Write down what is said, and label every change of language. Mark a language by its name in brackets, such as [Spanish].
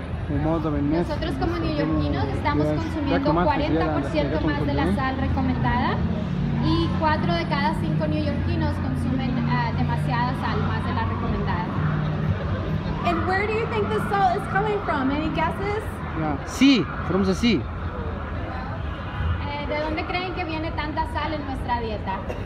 [Spanish] Nosotros como neoyorquinos estamos consumiendo 40% más de la sal recomendada y 4 de cada 5 neoyorquinos consumen demasiada sal, más de la recomendada. [English] And where do you think the salt is coming from? Any guesses? Yeah. Sí, from the sea. [Spanish] ¿De dónde creen que viene tanta sal en nuestra dieta?